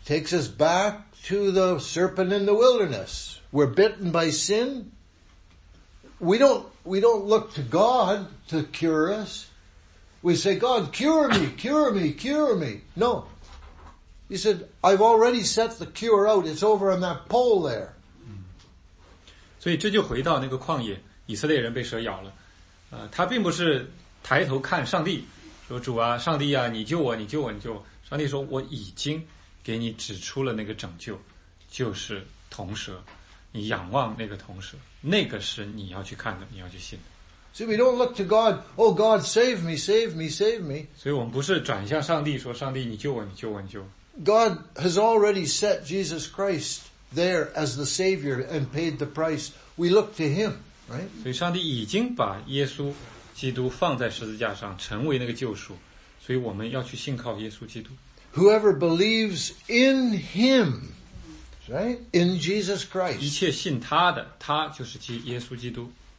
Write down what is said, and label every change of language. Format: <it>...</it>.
<en>Takes us back to the serpent in the wilderness. We're bitten by sin. We don't look to God to cure us. We say, God, cure me, cure me, cure me. No. He said, I've already set the cure out. It's over on that pole there.</en> <zh>所以这就回到那个旷野，以色列人被蛇咬了。他并不是抬头看上帝，说主啊，上帝啊，你救我，你救我，你救我。上帝说，我已经给你指出了那个拯救，就是铜蛇。你仰望那个铜蛇，那个是你要去看的，你要去信的。</zh> <en>See, we don't look to God, oh God, save me, save me, save me.</en> <zh>所以我们不是转向上帝说上帝你救我你救我你救我。</zh> <en>God has already set Jesus Christ there as the Savior and paid the price. We look to Him, right?</en> <zh>所以上帝已经把耶稣基督放在十字架上成为那个救赎，所以我们要去信靠耶稣基督。</zh> <en>Whoever believes in Him, right? In Jesus Christ.</en> <zh>一切信他的，他就是耶稣基督。</zh>